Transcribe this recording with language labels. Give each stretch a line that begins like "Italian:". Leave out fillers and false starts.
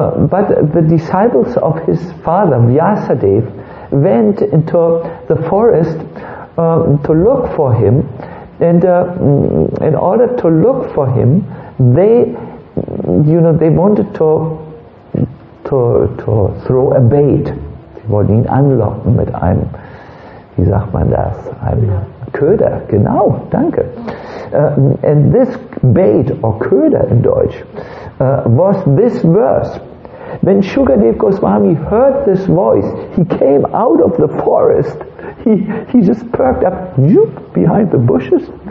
English: But the disciples of his father, Vyasadeva, went into the forest to look for him, and in order to look for him, they wanted to throw a bait.
German: Sie wollten ihn anlocken mit einem, wie sagt man das, einem Köder, genau, danke.
English: And this bait, or Köder in Deutsch, was this verse. When Shukadeva Goswami heard this voice, he came out of the forest. He just perked up behind the bushes.